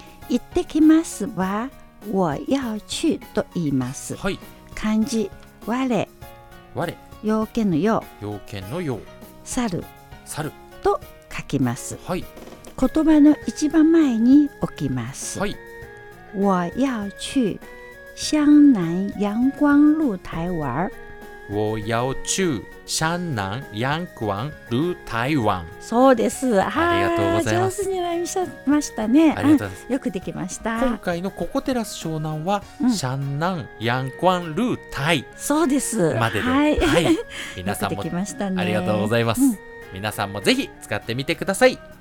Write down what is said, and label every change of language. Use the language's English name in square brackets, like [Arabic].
[Japanese] 行ってきますは [Chinese] 我要去 [Japanese] と言います、はい、漢字 [Chinese] 我、我、 [Japanese] 用件の用、用件の用、猿、猿と書きます、はい、言葉の一番前に置きます、はい、 [Chinese] 我要去湘南阳光露台玩。我要去湘南阳光露台湾。 [Japanese] そうです、ありがとうございます。上手になりましたね。ありがとうございます。よくできました。今回のココテラス湘南は、うん、 [Chinese] 湘南阳光露台、 [Japanese] そうです、まで、はい、はい、皆さんもよくできましたね。ありがとうございます、うん、皆さんもぜひ使ってみてください。